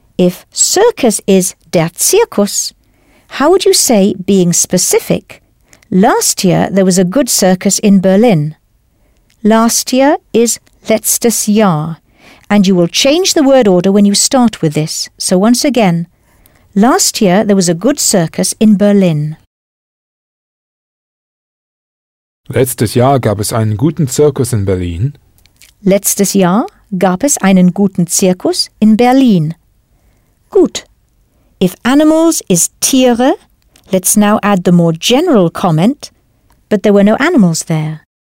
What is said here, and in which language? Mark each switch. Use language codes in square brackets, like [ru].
[en] If circus is der Zirkus, how would you say, being specific, last year there was a good circus in Berlin? Last year is [de] letztes Jahr, [en] and you will change the word order when you start with this. So once again, last year there was a good circus in Berlin. [de] Letztes Jahr gab es einen guten Zirkus in Berlin. Letztes Jahr gab es einen guten Zirkus in Berlin. Gut. [en] If animals is Tiere, let's now add the more general comment, but there were no animals there.